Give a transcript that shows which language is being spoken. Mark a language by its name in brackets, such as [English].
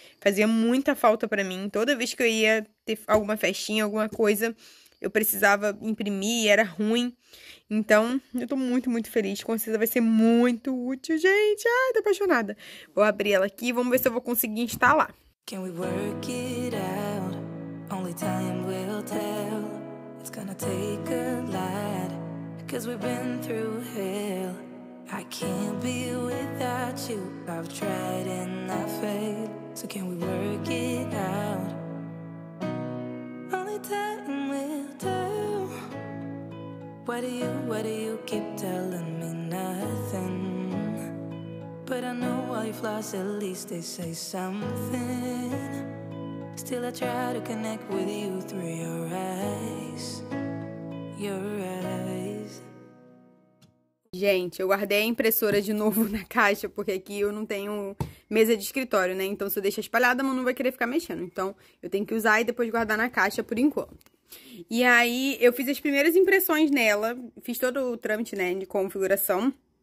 [Portuguese] Fazia muita falta para mim. Toda vez que eu ia ter alguma festinha, alguma coisa, eu precisava imprimir e era ruim. Então, eu tô muito, muito feliz. Com certeza vai ser muito útil, gente. Ai, tô apaixonada. Vou abrir ela aqui e vamos ver se eu vou conseguir instalar. [English] Can we work it out? Only time will tell. It's gonna take a lot, 'cause we've been through hell. I can't be without you. I've tried and I failed. So can we work it out? Only time will time will tell. What do you keep telling me nothing? But I know all your flaws, at least they say something. Still I try to connect with you through your eyes. Your eyes. [Portuguese] Gente, eu guardei a impressora de novo na caixa, porque aqui eu não tenho mesa de escritório, né? Então, se eu deixar espalhada, a mão não vai querer ficar mexendo. Então, eu tenho que usar e depois guardar na caixa por enquanto. E aí, eu fiz as primeiras impressões nela. Fiz todo o trâmite, né, de configuração.